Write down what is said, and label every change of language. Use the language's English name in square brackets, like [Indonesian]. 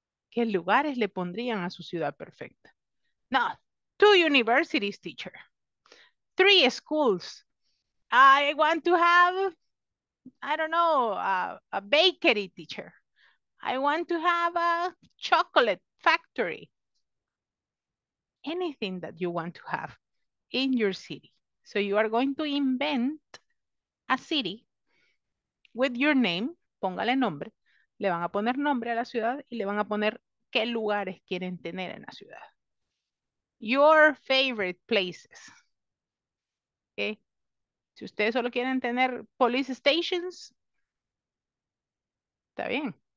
[Spanish] ¿Qué lugares le pondrían a su ciudad perfecta? [English] No, 2 universities, teacher. 3 schools. I want to have, I don't know, a bakery, teacher. I want to have a chocolate factory. Anything that you want to have in your city. So you are going to invent a city with your name. [Spanish] Póngale nombre. Le van a poner nombre a la ciudad y le van a poner qué lugares quieren tener en la ciudad. [English] Your favorite places. Okay. [Spanish] Si ustedes solo quieren tener police stations, está bien.